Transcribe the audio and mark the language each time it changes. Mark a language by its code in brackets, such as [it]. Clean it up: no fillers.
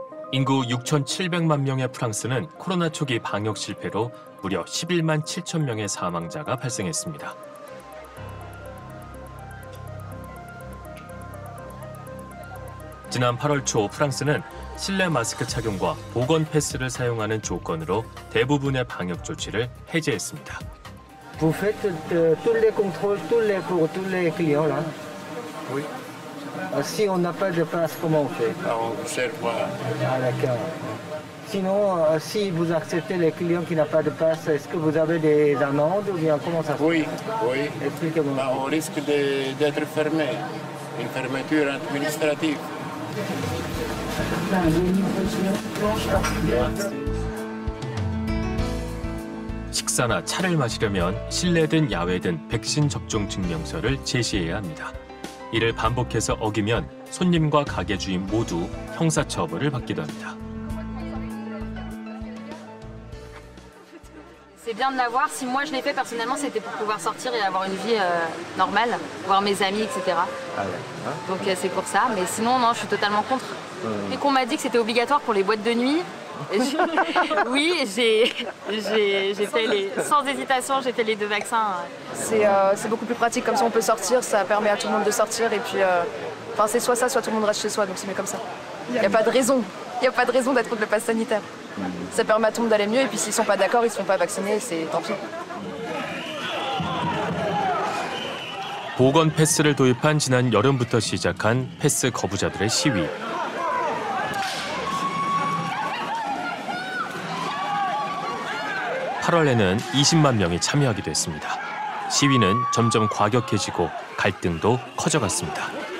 [ko] 인구 6,700만 명의 프랑스는 코로나 초기 방역 실패로 무려 11만 7천 명의 사망자가 발생했습니다. 지난 8월 초 프랑스는 실내 마스크 착용과 보건 패스를 사용하는 조건으로 대부분의 방역 조치를 해제했습니다. [fr] Vous faites tous les contrôles pour tous les clients là? Oui. Si on n'a pas de passe, comment on fait? On cherche. Ah, d'accord. Sinon, si vous acceptez les clients qui n'ont pas de passe, est-ce que vous avez des amendes ou bien comment ça se passe? Oui, expliquez-moi. Bah, on risque d'être fermé, une fermeture administrative. [ko] 식사나 차를 마시려면 실내든 야외든 백신 접종 증명서를 제시해야 합니다. 이를 반복해서 어기면 손님과 가게 주인 모두 형사 처벌을 받기도 합니다. [fr] C'est bien de l'avoir. Si moi je l'ai fait personnellement, c'était pour pouvoir sortir et avoir une vie normale, voir mes amis, etc. Donc c'est pour ça. Mais sinon, non, je suis totalement contre. Et qu'on m'a dit que c'était obligatoire pour les boîtes de nuit. Oui, j'ai fait les deux vaccins. C'est beaucoup plus pratique, comme ça on peut sortir, ça permet à tout le monde de sortir et puis c'est soit ça, soit tout le monde reste chez soi, donc c'est mieux comme ça. Il n'y a pas de raison d'être contre le pass sanitaire. Ça permet à tout le monde d'aller mieux et puis s'ils ne sont pas d'accord, ils ne se font pas vacciner, c'est tant pis. [ko] 보건 패스를 도입한 지난 여름부터 시작한 패스 거부자들의 시위. 8월에는 20만 명이 참여하기도 했습니다. 시위는 점점 과격해지고 갈등도 커져갔습니다.